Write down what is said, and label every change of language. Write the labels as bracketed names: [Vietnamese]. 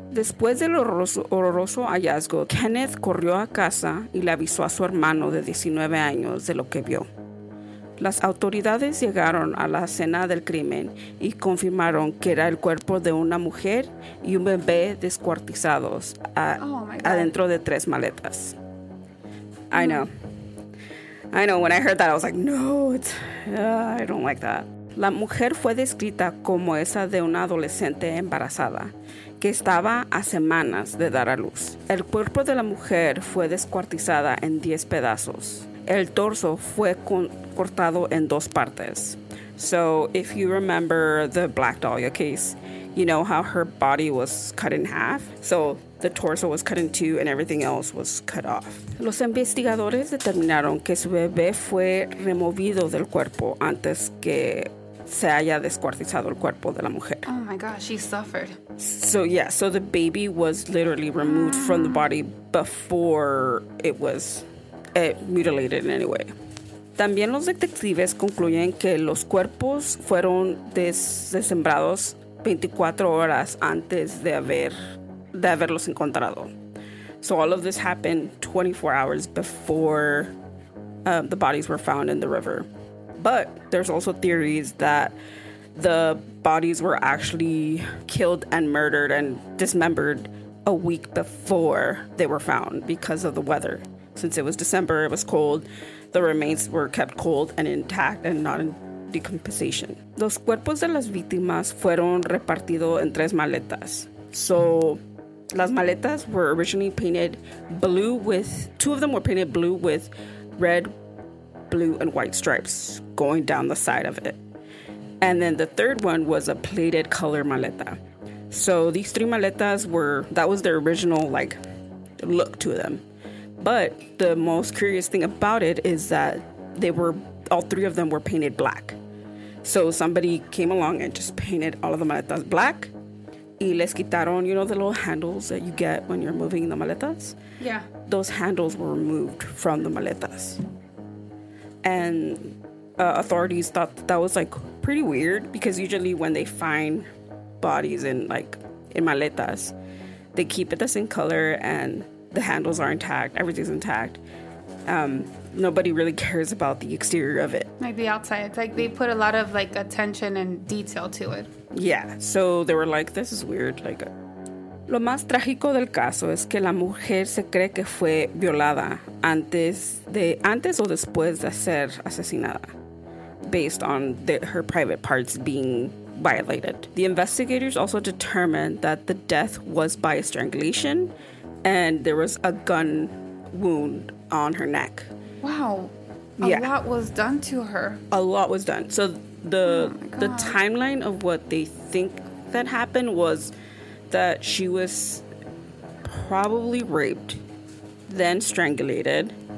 [Spanish] Después del horroroso hallazgo, Kenneth corrió a casa y le avisó a su hermano de 19 años de lo que vio. Las autoridades llegaron a la escena del crimen y confirmaron que era el cuerpo de una mujer y un bebé descuartizados adentro de tres maletas. [English] I know. I know, when I heard that, I was like, no, I don't like that. [Spanish] La mujer fue descrita como esa de una adolescente embarazada que estaba a semanas de dar a luz. El cuerpo de la mujer fue descuartizada en 10 pedazos. El torso fue cortado en dos partes. [English] So, if you remember the Black Dahlia case, you know how her body was cut in half? So, the torso was cut in two and everything else was cut off. [Spanish] Los investigadores determinaron que su bebé fue removido del cuerpo antes que se haya descuartizado el cuerpo de la mujer. [English] Oh my gosh, she suffered. So yeah, so the baby was literally removed from the body before it was mutilated in any way. [Spanish] También los detectives concluyen que los cuerpos fueron desmembrados 24 horas antes de haberlos encontrado. [English] So all of this happened 24 hours before the bodies were found in the river. But there's also theories that the bodies were actually killed and murdered and dismembered a week before they were found because of the weather. Since it was December, it was cold. The remains were kept cold and intact and not in decomposition. [Spanish] Los cuerpos de las víctimas fueron repartidos en tres maletas. [English] So las maletas were originally painted blue with, two of them were painted blue with red, blue, and white stripes going down the side of it. And then the third one was a plated color maleta. So these three maletas were, that was their original like look to them. But the most curious thing about it is that they were, all three of them were painted black. So somebody came along and just painted all of the maletas black. [Spanish] Y les quitaron, [English] you know, the little handles that you get when you're moving the maletas? Yeah. Those handles were removed from the maletas. And authorities thought that was, like, pretty weird. Because usually when they find bodies in, like, in maletas, they keep it the same color and the handles are intact. Everything's intact. Nobody really cares about the exterior of it. Like the outside. It's like they put a lot of like attention and detail to it. Yeah. So they were like, this is weird. Like, [Spanish] lo más trágico del caso es que la mujer se cree que fue violada antes o después de ser asesinada, [English] based on her private parts being violated. The investigators also determined that the death was by strangulation. And there was a gun wound on her neck. Wow. Yeah. A lot was done to her. A lot was done. So the timeline of what they think that happened was that she was probably raped, then strangulated.